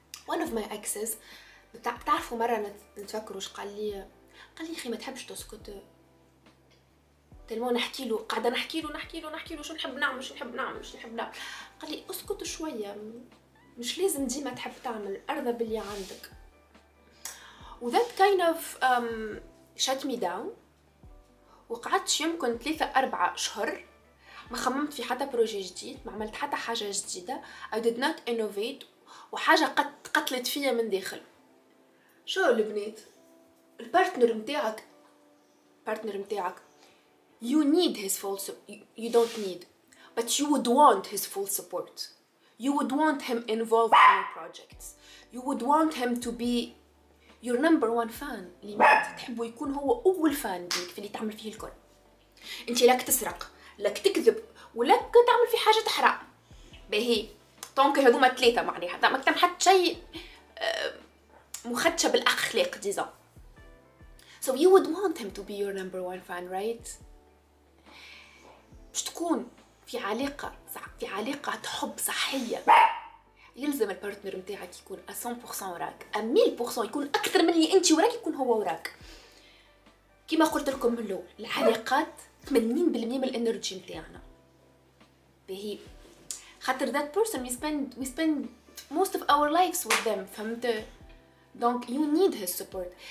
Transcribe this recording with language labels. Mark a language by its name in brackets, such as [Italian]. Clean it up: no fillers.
[English] one of my exes [Arabic] بتعرفوا مره نتفكروا واش قال لي اخي ما تحبش تسكت، تلمو نحكي له، قاعده نحكي له شو نحب نعمل. قال لي اسكت شويه، مش لازم ديما تحب تعمل، ارضى باللي عندك. و [English] that kind of shut me down. [Arabic] وقعدت يمكن 3-4 شهر ما خممت في حتى بروجي جديد، ما عملت حتى حاجة جديدة، [English] I did not innovate، [Arabic] وحاجة قتلت فيها من داخل. شو البنات؟ البارتنر متاعك [English] you need his full support، you don't need، but you would want his full support. You would want him involved in your projects. You would want him to be your number one fan. [Arabic] اللي انت تحبه يكون هو اول فان ليك في اللي تعمل فيه الكل. انت لك تسرق، لك تكذب، ولك تعمل في حاجه تحرق. باهي طونك هذوما ثلاثه معليها ما كان حتى شيء مخدشه بالاخلاق ديزا. [English] So you would want him to be your number one fan, right? [Arabic] باش تكون في علاقة في علاقة حب صحية يلزم البارتنر متاعك يكون 100% وراك، 1000% يكون أكثر من اللي أنت وراك يكون هو وراك. كما قلت لكم من الأول العلاقات 80% من الإنرجي متاعنا. بهي خاطر [English] that person we spend most of our lives with them. [Arabic] فهمت؟ [French] Donc [English] you need his support.